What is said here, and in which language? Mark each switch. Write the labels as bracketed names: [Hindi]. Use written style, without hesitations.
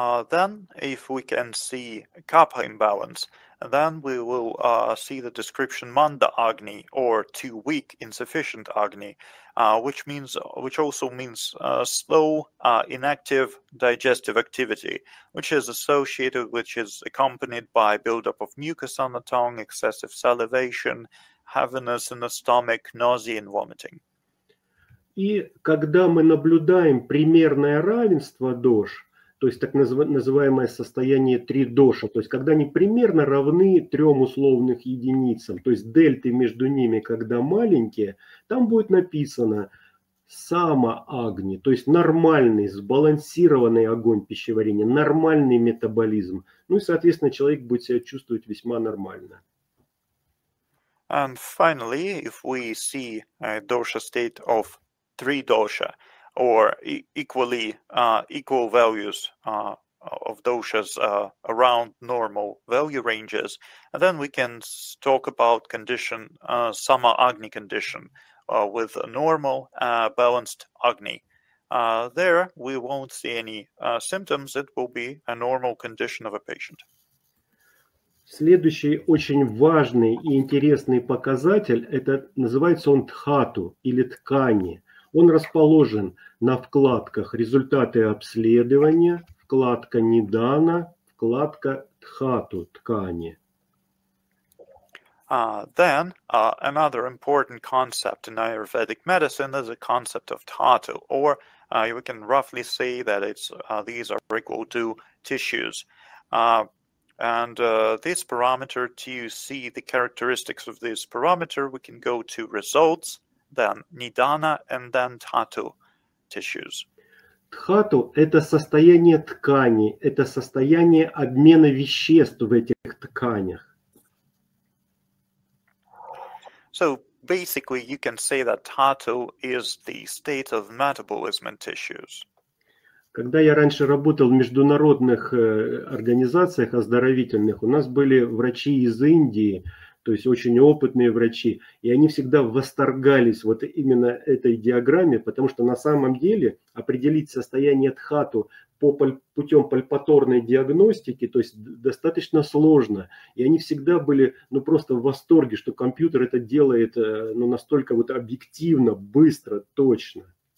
[English] Then if we can see kapha imbalance, then we will see the description manda agni, or too weak, insufficient agni, which also means slow, inactive digestive activity, which is accompanied by buildup of mucus on the tongue, excessive salivation, heaviness in the stomach, nausea and vomiting. [Russian] И когда мы наблюдаем примерное равенство дош, то есть так называемое состояние три доша, то есть когда они примерно равны трем условных единицам, то есть дельты между ними, когда маленькие, там будет написано сама-агни, то есть нормальный, сбалансированный огонь пищеварения, нормальный метаболизм. Ну и, соответственно, человек будет себя чувствовать весьма нормально. [English] And finally, if we see a dosha state of three dosha, or equal values of doshas around normal value ranges, and then we can talk about condition sama agni condition with a normal balanced agni. There we won't see any symptoms. It will be a normal condition of a patient. [Russian] Следующий очень важный и интересный показатель, это называется он дхату или ткани. Он расположен на вкладках результаты обследования, вкладка недана, вкладка дхату ткани. [English] Another important concept in Ayurvedic medicine is a concept of dhatu, or we can roughly say that it's these are equal to tissues. This parameter, to see the characteristics of this parameter, we can go to results, then nidana, and then dhatu tissues. [Russian] Dhatu – это состояние ткани, это состояние обмена веществ в этих тканях. [English] So basically, you can say that dhatu is the state of metabolism in tissues. [Russian] Когда я раньше работал в международных организациях оздоровительных, у нас были врачи из Индии, то есть очень опытные врачи, и они всегда восторгались вот именно этой диаграмме, потому что на самом деле определить состояние дхату путем пальпаторной диагностики, то есть достаточно сложно, и они всегда были ну просто в восторге, что компьютер это делает ну настолько вот объективно, быстро, точно.